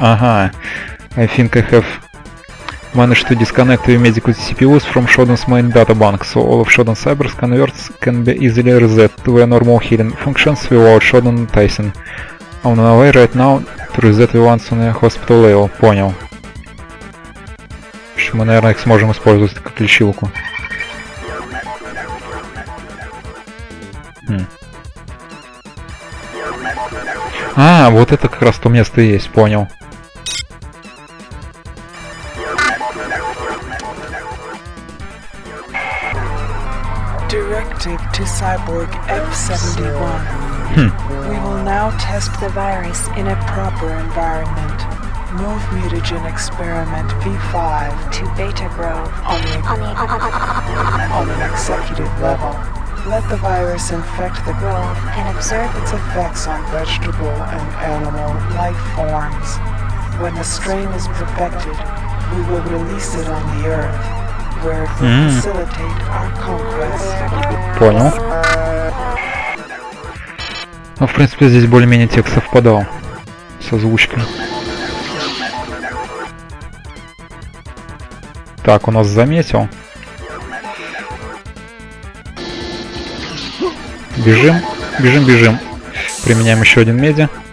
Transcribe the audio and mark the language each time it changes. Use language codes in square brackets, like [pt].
[en] Ага. I think I have managed to disconnect the medical CPUs from Shodan's main data bank, so all of Shodan's cybers converts can be easily reset to their normal healing functions without Shodan noticing. I'm on my way right now to reset the ones on the hospital level. [ru] Понял. В общем, мы, наверное, их сможем использовать как лечилку. А, вот это как раз то место и есть, понял. [en] Directive to Cyborg F71. We will now test the virus in a proper environment. Move mutagen experiment V5 to Beta Grove on an executive level. Let the virus infect the grove and observe its effects on vegetable and animal life forms. When the strain is perfected, we will release it on the Earth, where it will facilitate our conquest. [ru] Ну, в принципе, здесь более-менее текст совпадал с озвучкой. Так, у нас заметил. Бежим. Применяем еще один меди.